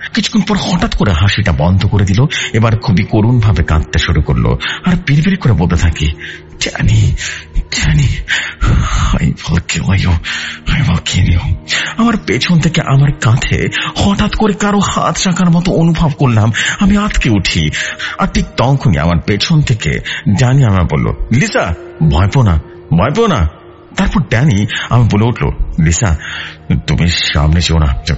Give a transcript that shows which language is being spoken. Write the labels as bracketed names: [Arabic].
[Bangla] কিছুক্ষণ পর হঠাৎ করে হাসিটা বন্ধ করে দিল, এবার খুবই করুণ ভাবে কাঁদতে শুরু করলো আর বিড়বিড় করে বলতে থাকি, [English] Danny, Danny, I will kill you. I will kill you. [Bangla] আমার পেছন থেকে আমার কাঁধে হঠাৎ করে কারো হাত রাখার মতো অনুভব করলাম। আমি আটকে উঠি আর ঠিক তখনই আমার পেছন থেকে ড্যানি আমার বলল, লিসা ভয় পো না, ভয় পো না। তারপর ড্যানি আমি বলে উঠল, লিসা তুমি সামনে চো না।